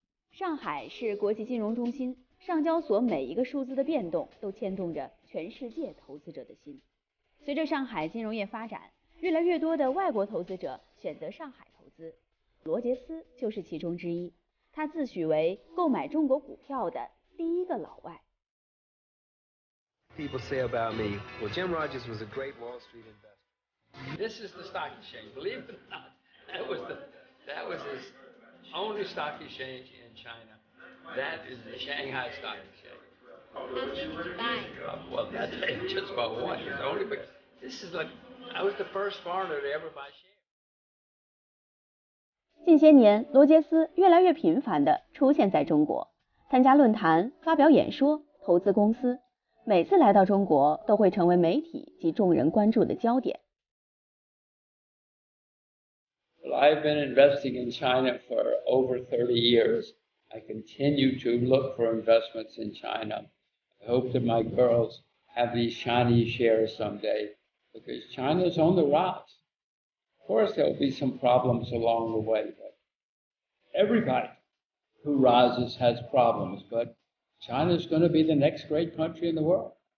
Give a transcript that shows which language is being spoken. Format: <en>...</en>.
<zh>上海是国际金融中心，上交所每一个数字的变动都牵动着全世界投资者的心。随着上海金融业发展，越来越多的外国投资者选择上海投资，罗杰斯就是其中之一。他自诩为购买中国股票的第一个老外。</zh> <en>People say about me, well, Jim Rogers was a great Wall Street investor. This is the stock exchange, believe it or not. That was his only stock exchange in China. That is the Shanghai Stock Exchange. Well, that's just about one. It's only because this is like, I was the first foreigner to ever buy shares.</en> <zh>近些年，罗杰斯越来越频繁地出现在中国，参加论坛、发表演说、投资公司，每次来到中国都会成为媒体及众人关注的焦点。</zh> <en>Well, I've been investing in China for over 30 years. I continue to look for investments in China. I hope that my girls have these Chinese shares someday, because China's on the rise. Of course, there will be some problems along the way, but everybody who rises has problems, but China's going to be the next great country in the world.</en>